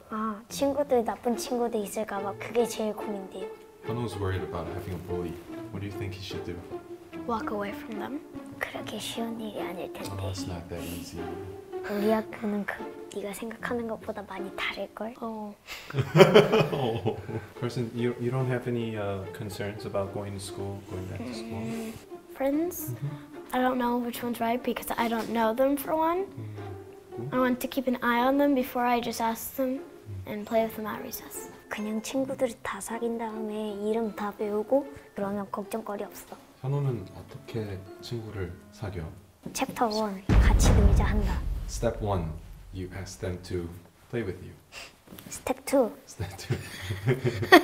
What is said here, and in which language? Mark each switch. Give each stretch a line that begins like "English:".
Korean: 아, 친구들 나쁜 친구들 있을까 봐 그게 제일 고민돼요.
English: Hyunho's worried about having a bully. What do you think he should do? Walk away from them.
Korean: 그렇게 쉬운 일이 아닐 텐데.
English: Oh, it's not that easy.
Korean: 우리 학교는 그 네가 생각하는 것보다 많이 다를 걸. 어.
English: Carson, you don't have any concerns about going to school, going back to school? Friends? I don't know which one's right because I don't know them for one. I want to keep an eye on them before I just ask them and play with them at recess.
Korean: 그냥 친구들이 다 사귄 다음에 이름 다 배우고 그러면 걱정거리 없어. 현우는 어떻게 친구를 사겨?
English: Chapter 1.
Korean: 같이 놀자한다.
English: Step 1. You ask them to play with you. Step 2. Step 2.